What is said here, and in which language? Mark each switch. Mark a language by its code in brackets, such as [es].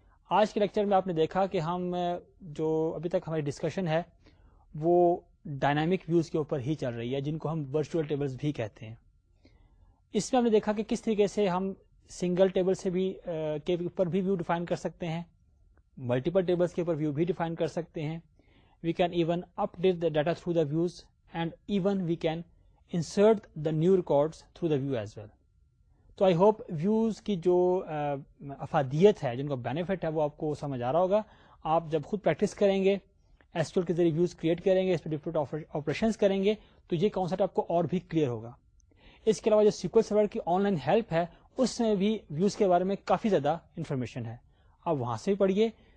[ur] آج کے لیکچر میں آپ نے دیکھا کہ ہم جو ابھی تک ہماری ڈسکشن ہے وہ ڈائنامک ویوز کے اوپر ہی چل رہی ہے, جن کو ہم ورچوئل ٹیبلز بھی کہتے ہیں. اس میں ہم نے دیکھا کہ کس طریقے سے ہم سنگل ٹیبل سے بھی کے اوپر بھی ویو ڈیفائن کر سکتے ہیں, ملٹیپل ٹیبلس کے اوپر ویو بھی ڈیفائن کر سکتے ہیں. [en] We can even update the data through the views, and even we can insert the new records through the view as well. [ur] تو [en] I hope [ur] ویوز کی جو افادیت ہے, جن کا بینیفٹ ہے, وہ آپ کو سمجھ آ رہا ہوگا. آپ جب خود پریکٹس کریں گے, ایس کیو ایل کے ذریعے ویوز کریٹ کریں گے, اس پہ ڈفرنٹ آپریشنس کریں گے, تو یہ کانسیپٹ آپ کو اور بھی کلیئر ہوگا. اس کے علاوہ جو سیکوئل سرور کی آن لائن ہیلپ ہے, اس میں بھی ویوز کے بارے میں کافی زیادہ انفارمیشن ہے, آپ وہاں سے بھی پڑھیے.